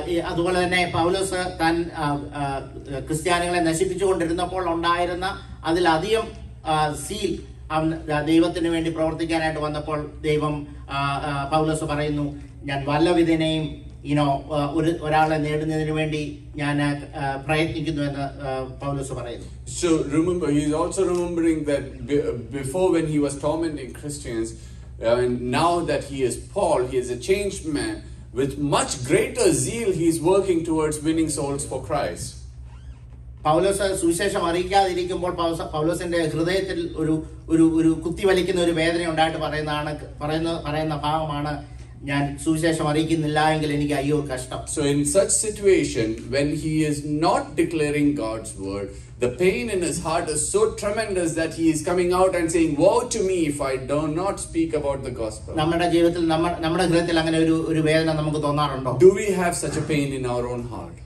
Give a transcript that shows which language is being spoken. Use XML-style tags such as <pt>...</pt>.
<ml>അതുപോലെ തന്നെ പൗലോസ് താൻ ക്രിസ്ത്യാനികളെ നശിപ്പിച്ചുകൊണ്ടിരുന്നപ്പോൾ ഉണ്ടായിരുന്ന അതിലധികം സീൽ ദൈവത്തിന് വേണ്ടി പ്രവർത്തിക്കാനായിട്ട് വന്നപ്പോൾ ദൈവം പൗലോസ് പറയുന്നു ഞാൻ വല്ലവിധേനയും ഇനോ ഒരു ഒരാളെ നേടുന്നതിന് വേണ്ടി ഞാൻ പ്രയത്നിക്കുന്നു എന്ന് പൗലോസ് പറയുന്നു.</ml> <en>So remember, he is also remembering that before when he was tormenting Christians, now that he is Paul, he is a changed man. With much greater zeal, he is working towards winning souls for Christ.</en> <ml>പൗലോസ് സുവിശേഷം അറിയിക്കാതിരിക്കുമ്പോൾ പൗലോസിന്റെ ഹൃദയത്തിൽ ഒരു കുത്തി വലിക്കുന്ന ഒരു വേദന ഉണ്ടായിട്ട് പറയുന്ന ഭാവമാണ് ഞാൻ സുവിശേഷം അറിയിക്കുന്നില്ല എങ്കിൽ എനിക്ക് അയ്യോ കഷ്ടം.</ml> <en>So in such situation, when he is not declaring God's word, the pain in his heart is so tremendous that he is coming out and saying, woe to me if I do not speak about the gospel.</en> <ml>നമ്മുടെ ജീവിതത്തിൽ നമ്മുടെ ഹൃദയത്തിൽ അങ്ങനെ ഒരു വേദന നമുക്ക് തോന്നാറുണ്ടോ?</ml> <en>Do we have such a pain in our own heart?</en>